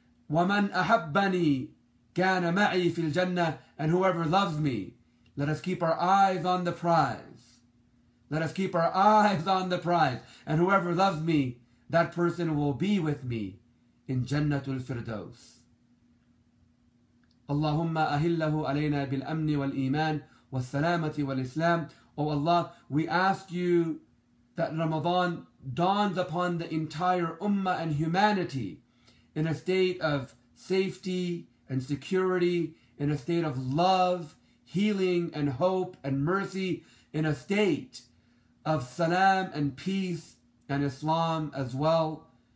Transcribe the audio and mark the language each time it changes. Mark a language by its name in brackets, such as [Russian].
[Arabic] وَمَنْ أَحَبَّنِي كَانَ مَعِي فِي الْجَنَّةِ. [English] And whoever loves me, let us keep our eyes on the prize. Let us keep our eyes on the prize. And whoever loves me, that person will be with me in Jannatul Firdaus. [Arabic] اللهم أهله علينا بالأمن والإيمان والسلامة والإسلام. [English] O Allah, we ask you that Ramadan dawns upon the entire Ummah and humanity in a state of safety and security, in a state of love, healing, and hope, and mercy, in a state of salam and peace, and Islam as well.